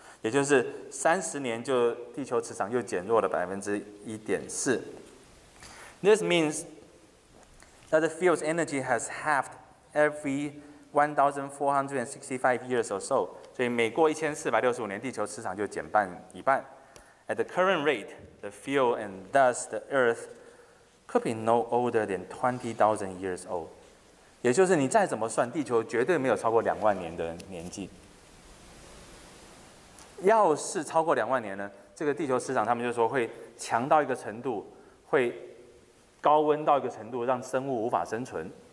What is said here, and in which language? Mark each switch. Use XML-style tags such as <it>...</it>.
<zh>也就是30年就地球磁场又减弱了1.4%。</zh> <en>This means that the field's energy has halved every 1,465 years or so.</en> <zh>所以每过1465年，地球磁场就减半一半。</zh> <en>At the current rate, the field and thus the Earth could be no older than 20,000 years old.</en> <zh>也就是你再怎么算，地球绝对没有超过20,000年的年纪。要是超过20,000年呢，这个地球磁场他们就说会强到一个程度，会高温到一个程度，让生物无法生存。</zh>